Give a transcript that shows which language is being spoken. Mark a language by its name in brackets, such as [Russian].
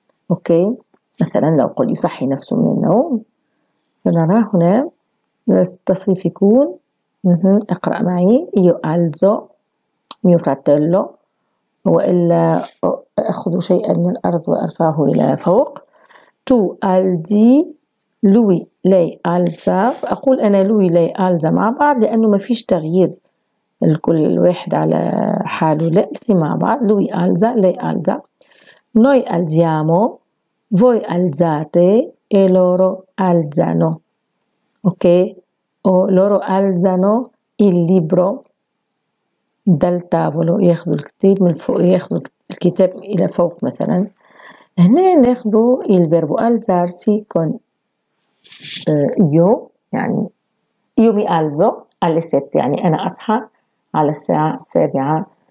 [Arabic] أوكي، مثلا لو قل يصحي نفسه من النوم، نرى هنا التصريف يكون اقرأ معي [Italian] io alzo mio fratello، [Arabic] وإلا أخذ شيئا من الأرض وأرفعه إلى فوق. [Italian] tu alzi lui lei alza، [Arabic] أقول أنا lui lei alza مع بعض لأنه ما فيش تغيير الكل الواحد على حاله، لا مع بعض [Italian] lui alza lei alza. noi alziamo voi alzate e loro alzano. Ok, o loro alzano il libro dal tavolo، [Arabic] ياخذوا الكتاب من فوق، ياخذوا الكتاب الى فوق. مثلا هنا ناخذوا الفيرب alzarsi con io، يعني [Italian] io mi alzo alle 7، [Arabic] يعني انا اصحى على الساعة 7.